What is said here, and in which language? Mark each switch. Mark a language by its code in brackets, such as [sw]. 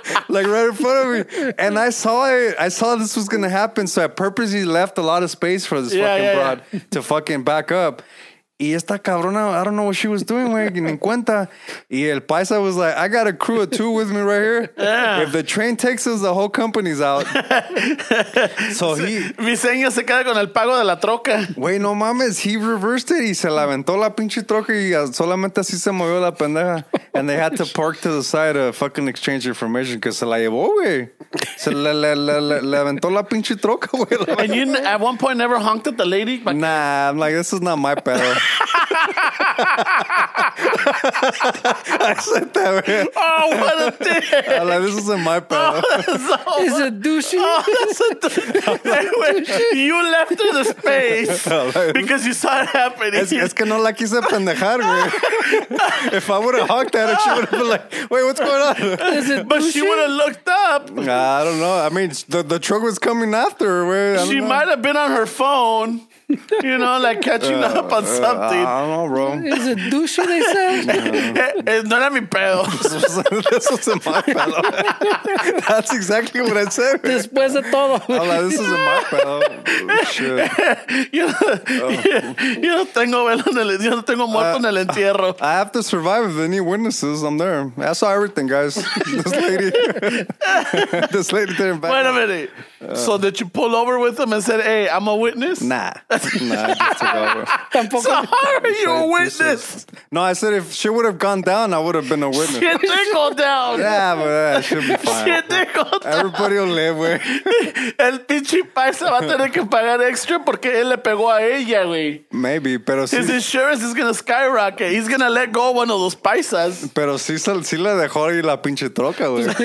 [en] Like right in front of me. And I saw it. I saw this was going to happen. So I purposely left a lot of space for this broad to fucking back up. [es] Y esta cabrona, [en] I don't know what she was doing, [es] güey, ni en cuenta. Y el paisa [en] was like, I got a crew of two with me right here. Yeah. If the train takes us, the whole company's out. [es] Mi seño se queda con el pago de la troca. Güey, no mames, [en] he reversed it [es] y se la aventó la pinche troca y solamente así se movió la pendeja. [en] And they had to park to the side of fucking exchange information because [es] se la llevó, güey. Se le aventó la pinche troca, güey. [en] And you at one point never honked at the lady? Nah, I'm like, this is not my pedo. I said that, man. Oh, what a dick. I'm like, this isn't my problem. It's a douchey. Oh, that's a douchey. You left her the space because you saw it happening. [es] Es que no la quise pendejar, güey. [en] If I would have honked at her, she would have been like, wait, what's going on? Is it but douchey? She would have looked up. I don't know. I mean, the truck was coming after her. She might have been on her phone. You know, like catching up on something. I don't know, bro. Is it douche, they say? [es] No era mi pedo. [en] This wasn't my pedo. That's exactly what I said. [es] Después de todo. [en] Hola, this isn't my pedo. Shit. [es] Yo no tengo velo en el, yo no tengo muerto en el entierro. [en] I have to survive if they need witnesses. I'm there. I saw everything, guys. This lady there in back. Wait a minute. So did you pull over with them and said, hey, I'm a witness? Nah. Nah, so how are you a witness? No, I said if she would have gone down, I would have been a witness. Shit did go down. Yeah, but that should be fine. Shit did go down. Everybody will live, güey. [es] El pinche paisa va a tener que pagar extra porque él le pegó a ella, güey. [en] Maybe, [es] pero si... [en] His insurance is going to skyrocket. He's going to let go one of those paisas. [es] Pero si le dejó ahí la pinche troca, güey.